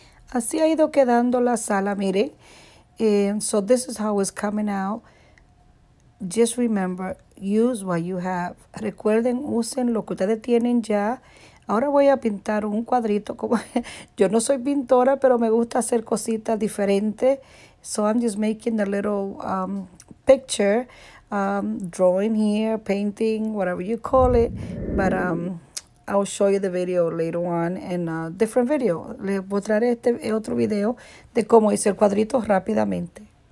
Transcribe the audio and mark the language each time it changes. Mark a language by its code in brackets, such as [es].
[es] Así ha ido quedando la sala, miren. [en] So this is how it's coming out. Just remember, use what you have. [es] Recuerden, usen lo que ustedes tienen ya. Ahora voy a pintar un cuadrito. Como yo no soy pintora, pero me gusta hacer cositas diferentes. [en] So I'm just making a little picture, drawing here, painting, whatever you call it. But I'll show you the video later on in a different video. [es] Les mostraré este otro video de cómo hice el cuadrito rápidamente.